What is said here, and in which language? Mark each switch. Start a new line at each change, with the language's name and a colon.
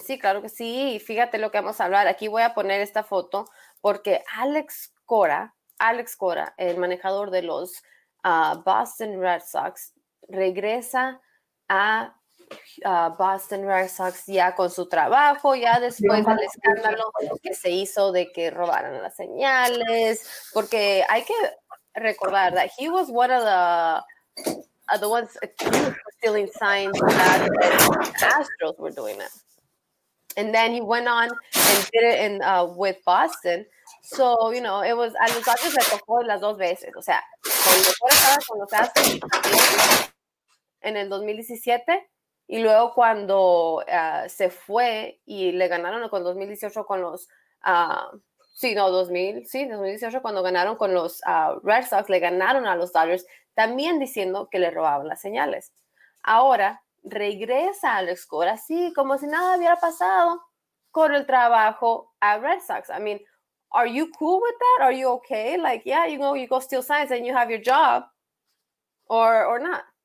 Spanish: Sí, claro que sí. Fíjate lo que vamos a hablar. Aquí voy a poner esta foto porque Alex Cora, el manejador de los Boston Red Sox, regresa a Boston Red Sox ya con su trabajo, ya después del escándalo que se hizo de que robaran las señales. Porque hay que recordar
English: that he was one of the... the ones accused of stealing signs that the Astros were doing it. And then he went on and did it in with Boston. So, you know, it was
Spanish: a los Dodgers le tocó las dos veces. O sea, cuando fuera estaba con los Astros en el 2017, y luego cuando se fue y le ganaron con 2018 con los 2018 cuando ganaron con los Red Sox, le ganaron a los Dodgers también diciendo que le robaban las señales. Ahora regresa Alex Cora así como si nada hubiera pasado con el trabajo a Red Sox.
English: I mean, are you cool with that? Are you okay? Like, yeah, you know, you go steal signs and you have your job, or not?